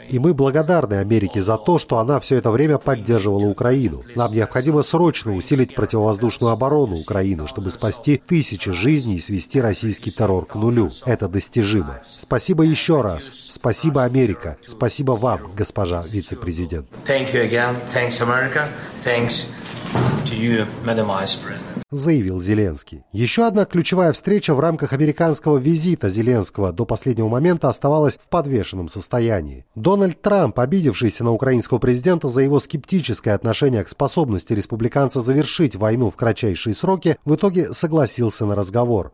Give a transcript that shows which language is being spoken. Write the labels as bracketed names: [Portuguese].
[Russian] И мы благодарны Америке за то, что она все это время поддерживала Украину. Нам необходимо срочно усилить противовоздушную оборону Украины, чтобы спасти тысячи жизней и свести российский террор к нулю. Это достижимо. Спасибо еще раз. Спасибо, Америка. Спасибо вам, госпожа вице-президент. [English] Thank you again. Thanks, America. Thanks to you, Madam Vice President. [Russian] Заявил Зеленский. Еще одна ключевая встреча в рамках американского визита Зеленского до последнего момента оставалась в подвешенном состоянии. Дональд Трамп, обидевшийся на украинского президента за его скептическое отношение к способности республиканца завершить войну в кратчайшие сроки, в итоге согласился на разговор.